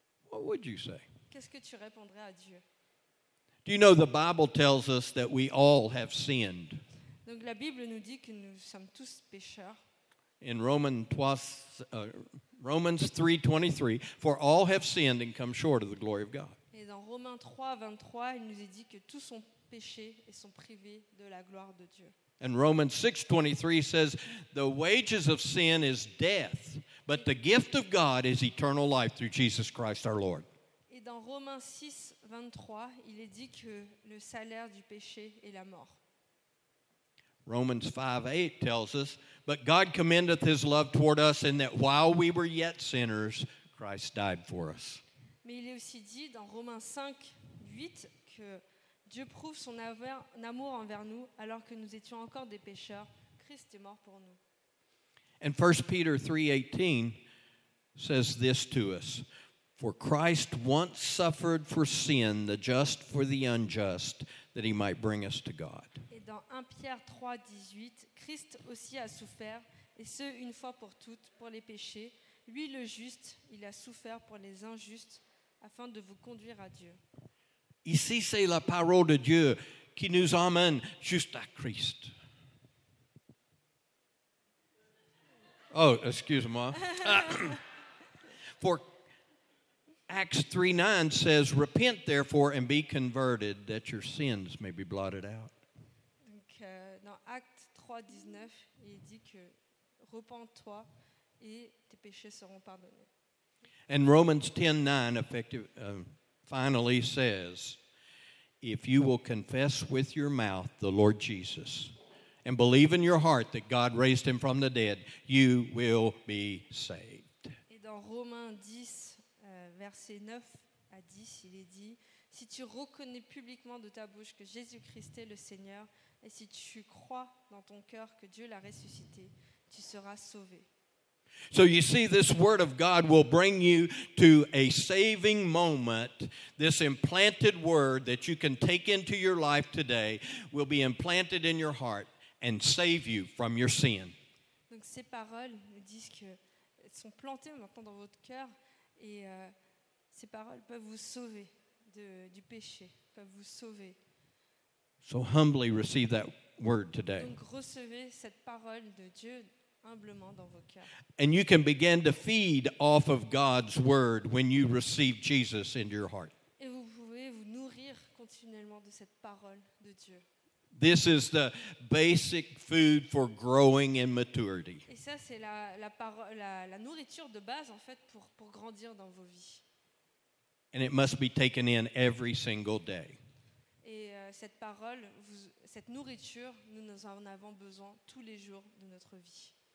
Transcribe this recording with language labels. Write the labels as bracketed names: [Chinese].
[English] What would you say? [French] Qu'est-ce que tu répondrais à Dieu? [English] Do you know the Bible tells us that we all have sinned? [French] Donc la Bible nous dit que nous sommes tous pécheurs. [English] In Romans 3:23, for all have sinned and come short of the glory of God. [French] Et dans Romains 3:23, il nous est dit que tous sont péchés et sont privés de la gloire de Dieu. [English] And Romans 6:23 says, the wages of sin is death, but the gift of God is eternal life through Jesus Christ our Lord. [French] Et dans Romains 6:23, il est dit que le salaire du péché est la mort. [English] Romans 5:8 tells us, but God commendeth his love toward us in that while we were yet sinners, Christ died for us. [French] Mais il est aussi dit dans Romains 5:8 que Dieu prouve son amour envers nous alors que nous étions encore des pécheurs. Christ est mort pour nous. [English] And 1 Peter 3:18 says this to us. For Christ once suffered for sin, the just for the unjust, that he might bring us to God. [French] Et dans 1 Pierre 3:18, Christ aussi a souffert, et ce une fois pour toutes, pour les péchés. Lui le juste, il a souffert pour les injustes, afin de vous conduire à Dieu. Ici, c'est la parole de Dieu qui nous emmène juste à Christ. Oh, excuse-moi. [English] For Acts 3:9 says, repent therefore and be converted that your sins may be blotted out. [French] Donc, dans Actes 3:19, il dit que repens-toi et tes péchés seront pardonnés. [English] And Romans 10:9 finally says, if you will confess with your mouth the Lord Jesus and believe in your heart that God raised him from the dead, you will be saved. [French] Et dans Romains 10, verset 9 à 10, il est dit, si tu reconnais publiquement de ta bouche que Jésus-Christ est le Seigneur, et si tu crois dans ton cœur que Dieu l'a ressuscité, tu seras sauvé. [English] So you see, this word of God will bring you to a saving moment. This implanted word that you can take into your life today will be implanted in your heart and save you from your sin. [French] Donc ces paroles me disent que elles sont plantées maintenant dans votre cœur et ces paroles peuvent vous sauver du péché, peuvent vous sauver. [English] So humbly receive that word today. [French] Donc recevez cette parole de Dieu. Humblement dans vos cœurs. [English] And you can begin to feed off of God's word when you receive Jesus into your heart. [French] Et vous pouvez vous nourrir continuellement de cette parole de Dieu. [English] This is the basic food for growing in maturity. [French] Et ça, c'est la nourriture de base en fait pour grandir dans vos vies. [English] And it must be taken in every single day. [French] Et cette parole, cette nourriture, nous en avons besoin tous les jours de notre vie.